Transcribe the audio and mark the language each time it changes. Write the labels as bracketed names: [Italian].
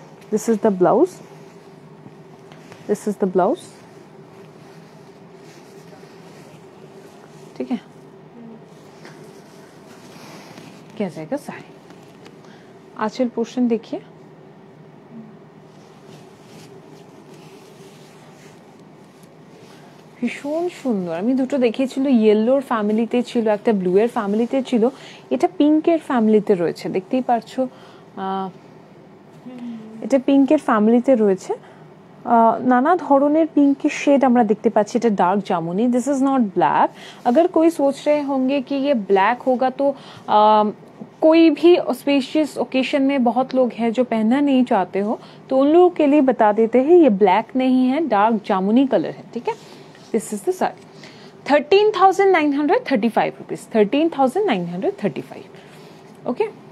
[English] this is the blouse, this is the blouse, [Hindi] ठीक है। क्या जाएगा साड़ी, आंचल पोर्शन देखिए, [Bangla] ভীষণ সুন্দর। আমি দুটো দেখিয়েছিল, ইয়েলোর ফ্যামিলিতে ছিল, একটা ব্লু এর ফ্যামিলিতে ছিল, এটা পিঙ্কের ফ্যামিলিতে রয়েছে, দেখতেই পারছো। এটা পিঙ্কের ফ্যামিলিতে রয়েছে, নানা ধরনের পিঙ্কের শেড আমরা দেখতে পাচ্ছি। এটা dark jamuni, [English] This is not black. [Hindi] আগর কই সোচ রে হোঙ্গে কি ইয়ে ব্ল্যাক হোগা তো कोई भी स्पेशियस ओकेशन में बहुत लोग हैं जो पहनना नहीं चाहते हो, तो उन लोगों के लिए बता देते हैं ये ब्लैक नहीं है, डार्क जामुनी कलर है, ठीक है। [English] This is the sari, 13,935 rupees, 13,935, okay.